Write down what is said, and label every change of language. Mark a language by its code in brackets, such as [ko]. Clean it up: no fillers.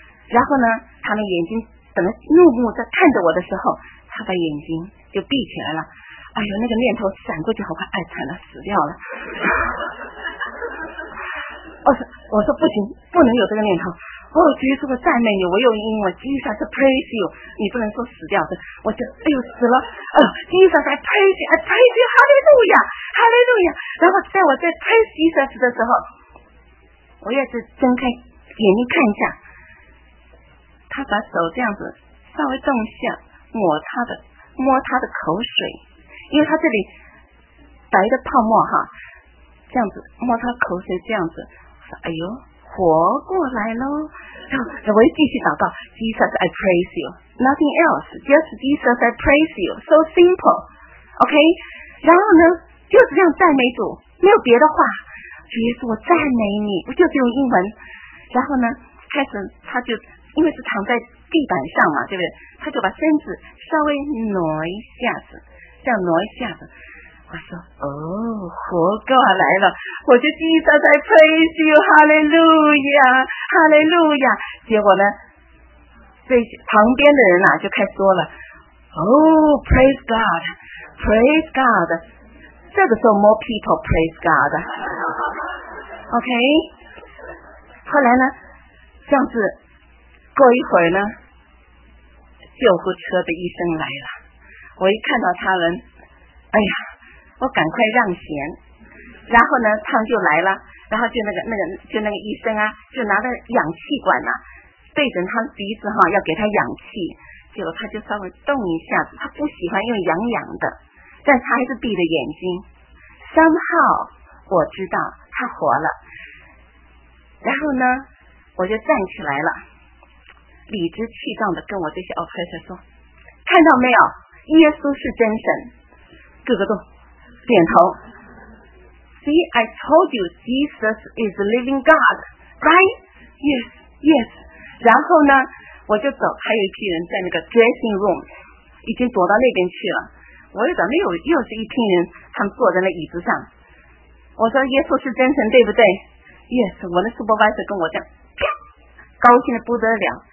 [zh] 然后呢，他们眼睛等着怒目在看着我的时候，他把眼睛就闭起来了。哎呦，那个念头闪过去好快，哎，惨了，死掉了。我说不行，不能有这个念头。哦，耶稣，我赞美你，我用英文 [en] Jesus praise you， [zh] 你不能说死掉的。我就哎呦死了， [en] Jesus I praise you， I praise you， Hallelujah， Hallelujah。 [zh] 然后在我在 [en] praise Jesus [zh] 的时候，我也是睁开眼睛看一下，他把手这样子稍微动一下，摸他的口水，因为他这里白的泡沫哈，这样子摸他口水，这样子，哎呦，活过来喽！然后我又继续祷告 [en] ，Jesus, I praise you, nothing else, just Jesus, I praise you, so simple, OK。 [zh] 然后呢，就是这样赞美主，没有别的话，主耶稣，我赞美你，不就是用英文？然后呢，开始他就因为是躺在地板上嘛，对不对？他就把身子稍微挪一下子，这样挪一下子。我说哦，活过来了，我就 [en] Jesus I praise you, hallelujah, hallelujah。 [zh] 结果呢，这旁边的人啊就开始说了，哦， [en] praise God, praise God。 [zh] 这个时候 [en] more people praise God, OK。 [zh] 后来呢，上次过一会儿呢，救护车的医生来了，我一看到他们，哎呀，我赶快让贤，然后呢，他们就来了，然后就那个医生啊，就拿着氧气管呐、啊，对准他鼻子哈、啊，要给他氧气，结果他就稍微动一下子，他不喜欢用痒痒的，但他还是闭着眼睛。 somehow我知道他活了，然后呢，我就站起来了，理直气壮的跟我这些 officer 说，看到没有，耶稣是真神，各个都。点头。 [en] See, I told you, Jesus is living God, right? Yes, yes. [zh] 然后呢，我就走，还有一批人在那个 dressing room, 已经躲到那边去了。我又等，又是一批人，他们坐在那椅子上。我说，耶稣是真神，对不对？ Yes, 我的 supervisor 跟我讲，高兴得不得了。